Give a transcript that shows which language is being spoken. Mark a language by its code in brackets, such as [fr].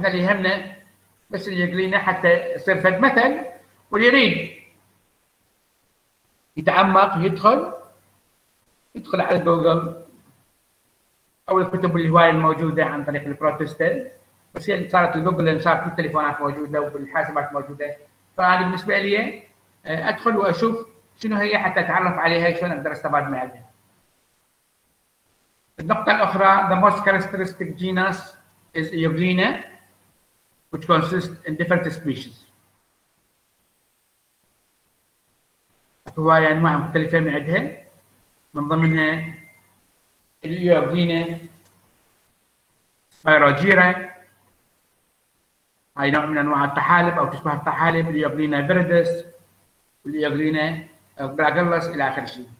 [ar] إحنا اللي يهمنا بس اللي يقلينا حتى يصير فد مثل، واللي يريد يتعمق يدخل على جوجل أو الكتب الهواية الموجودة عن طريق البروتيستا، بس هي صارت الجوجل لأن صارت التليفونات موجودة والحاسبات موجودة. فأنا بالنسبة لي أدخل وأشوف شنو هي حتى أتعرف عليها شلون أقدر أستفاد منها. النقطة الأخرى [en] the most characteristic genus is Euglena which consists in different species. [ar] هواية أنواع مختلفة من عندها، من ضمنها اليوغلينا سبيروجيرا، هاي نوع من أنواع الطحالب أو تشبه الطحالب، اليوغلينا بيردس واليوغلينا براغلس إلى آخر شيء.